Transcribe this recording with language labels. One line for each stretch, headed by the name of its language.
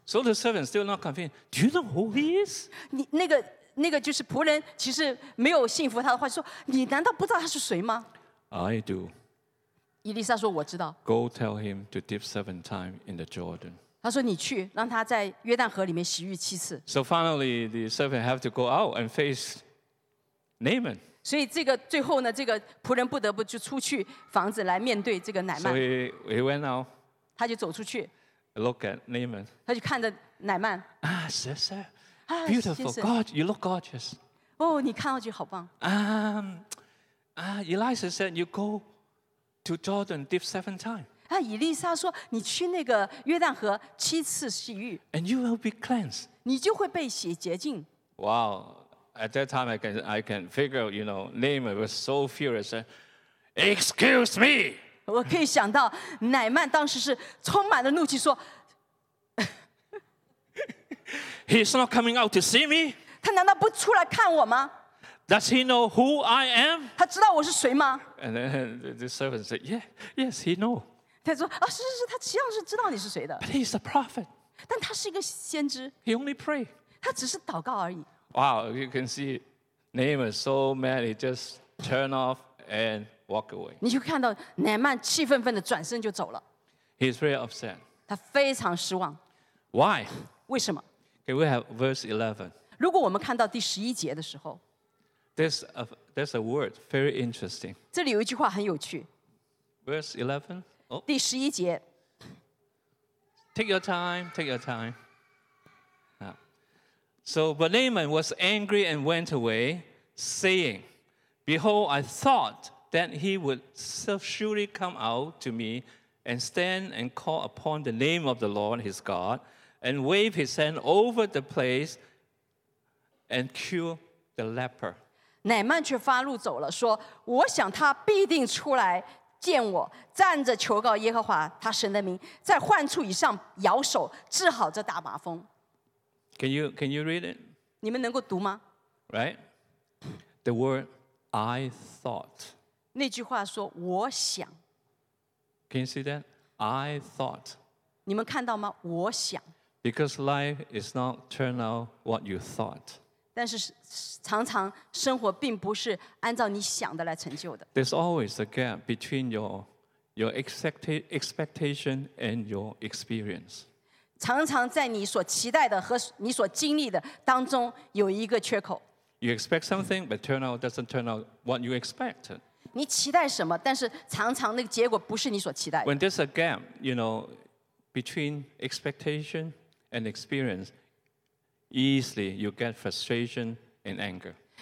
English: So the servant still not convinced. Do you know who he is?
Chinese: 那个就是仆人其实没有信服他的话，说你难道不知道他是谁吗？
English: I do.
Chinese: 伊丽莎说：“我知道。”
English: Go tell him to dip seven times in the Jordan.
Chinese: 他说：“你去，让他在约旦河里面洗浴七次。”
English: So finally, the servant have to go out and face Naaman.
Chinese: 所以这个最后呢，这个仆人不得不就出去房子来面对这个乃曼。
English: So he went out.
Chinese: 他就走出去。
English: Look at Naaman.
Chinese: 他就看着乃曼。
English: Ah, sir, beautiful, God, you look gorgeous.
Chinese: 哦，你看上去好棒。
English: Elisha said, "You go." To Jordan, dip seven times.
Chinese: 啊，以利沙说，你去那个约旦河七次洗浴.
English: And you will be cleansed.
Chinese: 你就会被洗洁净.
English: Wow, at that time I can figure, you know, Naaman was so furious. Excuse me.
Chinese: 我可以想到，乃曼当时是充满了怒气说.
English: He's not coming out to see me.
Chinese: 他难道不出来看我吗？
English: Does he know who I am?
Chinese: 他知道我是谁吗？
English: And then the servant said, "Yeah, yes, he know."
Chinese: 他说啊，是是是，他实际上是知道你是谁的。
English: But he's a prophet.
Chinese: 但他是一个先知。
English: He only pray.
Chinese: 他只是祷告而已。
English: Wow, you can see Naaman so mad, he just turn off and walk away.
Chinese: 你就看到乃曼气愤愤的转身就走了。
English: He's very upset.
Chinese: 他非常失望。
English: Why?
Chinese: 为什么？
English: Okay, we have verse 11.
Chinese: 如果我们看到第十一节的时候。
English: There's a word, very interesting.
Chinese: 这里有一句话很有趣.
English: Verse 11.
Chinese: Oh. 第十一节.
English: Take your time, take your time. Ah. So, but Naaman was angry and went away, saying, "Behold, I thought that he would surely come out to me and stand and call upon the name of the Lord his God and wave his hand over the place and cure the leper."
Chinese: 乃曼却发怒走了，说：“我想他必定出来见我，站着求告耶和华他神的名，在患处以上摇手治好这大麻风。”
English: Can you read it?
Chinese: 你们能够读吗?
English: Right? The word I thought.
Chinese: 那句话说我想.
English: Can you see that? I thought.
Chinese: 你们看到吗?我想.
English: Because life is not turned out what you thought.
Chinese: 但是常常生活并不是按照你想的来成就的.
English: There's always a gap between your expectation and your experience.
Chinese: 常常在你所期待的和你所经历的当中有一个缺口.
English: You expect something, but turn out doesn't turn out what you expected.
Chinese: 你期待什么，但是常常那个结果不是你所期待的.
English: When there's a gap, you know, between expectation and experience, easily you get frustration and anger.